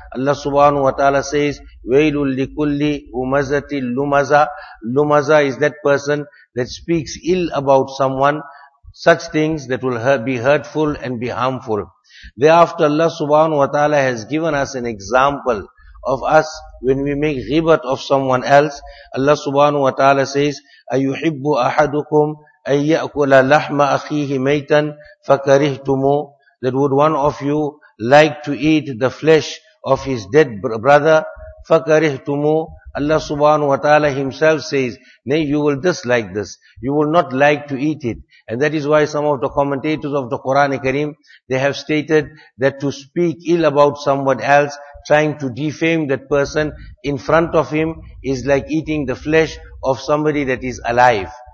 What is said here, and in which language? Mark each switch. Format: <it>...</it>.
<en>Allah subhanahu wa ta'ala says,</en> <ar>وَيْلٌ لِكُلِّ هُمَزَةِ</ar> <en>lumaza. Lumaza is that person that speaks ill about someone, such things that will be hurtful and be harmful. Thereafter, Allah subhanahu wa ta'ala has given us an example of us when we make ghibat of someone else. Allah subhanahu wa ta'ala says,</en> <ar>أَيُحِبُّ أَحَدُكُمْ أَن يَأْكُلَ لَحْمَ أَخِيهِ مَيْتًا فَكَرِهْتُمُ.</ar> <en>That would one of you like to eat the flesh of his dead brother?</en> <ar>فَكَرِهْتُمُ.</ar> <en>Allah subhanahu wa ta'ala himself says, nay, you will dislike this. You will not like to eat it. And that is why some of the commentators of the Quran Kareem, they have stated that to speak ill about someone else, trying to defame that person in front of him, is like eating the flesh of somebody that is alive.</en>